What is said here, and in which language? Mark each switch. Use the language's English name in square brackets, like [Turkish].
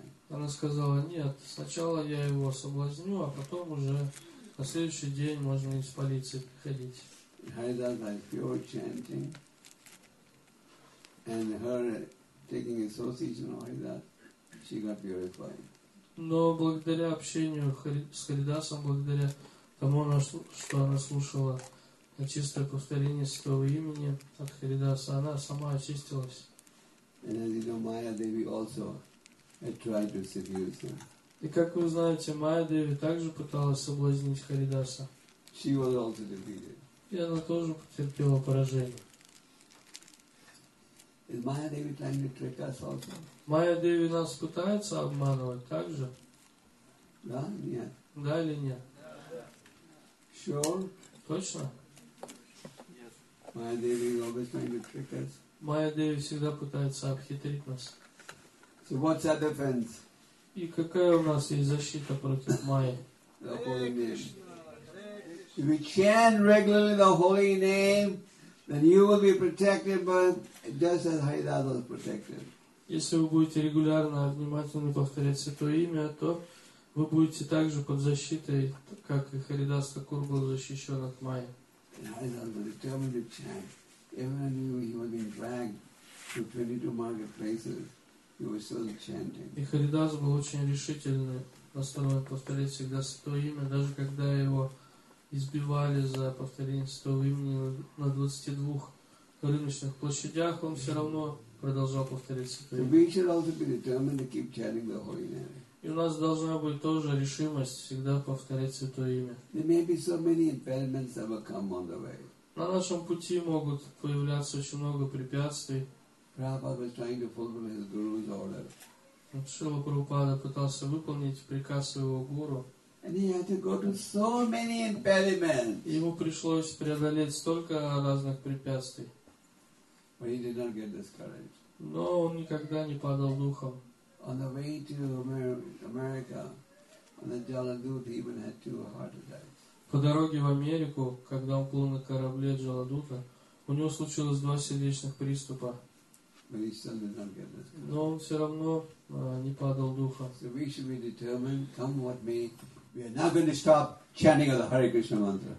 [Russian] Она сказала, нет, сначала я его соблазню, а потом уже на следующий день можно из полиции приходить. [English] Харидаса is pure chanting. And her taking association of Haridasa, she got purified. [Russian] Но благодаря общению с Харидасом, благодаря тому, что она слушала чистое повторение святого имени от Харидаса, она сама очистилась. И как вы знаете, Майя Деви также пыталась соблазнить Харидаса. [English] She was also defeated. [Russian] И она тоже потерпела поражение. [English] Is Maya Devi trying to trick us also? [Russian] Майя Деви нас пытается обманывать также? Да, нет. Да или нет? [English] Sure. [Russian] Точно? [English] Maya Devi is always trying to trick us. [Russian] Maya Devi всегда пытается обхитрить нас. [English] So what's our defense? [Russian] И какая у нас есть защита против Майи? [English] The holy name. If we chant regularly the holy name, then you will be protected, but just as Haridasa was protected. [Russian] Если вы будете регулярно внимательно повторять Святое Имя, то вы будете также под защитой, как и Харидас Такур был защищен от Майи. [English] Haridasa was determined to chant. Even though he was being dragged to 22 marketplaces, he was still chanting. [Russian] И Харидас был очень решительный, постоянно повторять всегда Святое Имя, даже когда его избивали за повторение Святого Имени на 22 рыночных площадях, он все равно продолжал повторять Святое Имя. [English] We should also be determined to keep chanting the Holy Name. [Russian] И у нас должна быть тоже решимость всегда повторять Святое Имя. [English] There may be so many impediments that will come on the way. [Russian] На нашем пути могут появляться очень много препятствий. [English] Prabhupada was trying to fulfill his guru's order. [Russian] Шрила Прабхупада пытался выполнить приказ своего гуру. [English] And he had to go to so many impediments. [Russian] Ему пришлось преодолеть столько разных препятствий. [English] But he did not get discouraged. [Russian] Но он никогда не падал духом. [English] On the way to America, on the Jaladut, he even had two heart attacks. [Russian] По дороге в Америку, когда он плыл на корабле Джаладута, у него случилось два сердечных приступа. [English] But he still did not get this. [Russian] Но он все равно не падал духа. [English] So we should be determined, come what may, we are not going to stop chanting the Hare Krishna mantra.